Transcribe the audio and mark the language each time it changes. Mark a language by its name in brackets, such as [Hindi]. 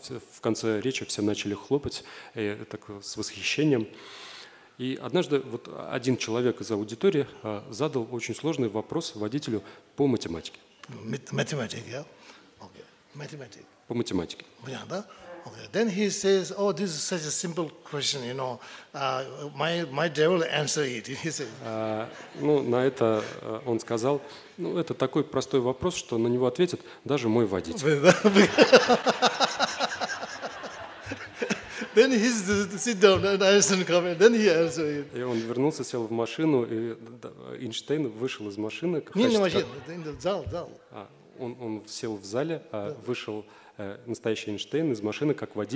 [Russian] В конце речи все начали хлопать так, с восхищением. И однажды вот один человек из аудитории задал очень сложный вопрос водителю по математике. Математика, да? Окей, математика. По математике. [English] Yeah, [Russian] да? [English] Okay. Then he says, oh, this is such a simple question, you know. My devil answer it. He says. [Russian] Ну, на это он сказал, ну, это такой простой вопрос, что на него ответит даже мой водитель. [English] Then he sit down and Einstein come and then he answer it. [Russian] И он вернулся, сел в машину, и Эйнштейн вышел из машины. Не в машине, [English] in the [Russian] зал. Он сел в зале, вышел настоящий Эйнштейн из машины как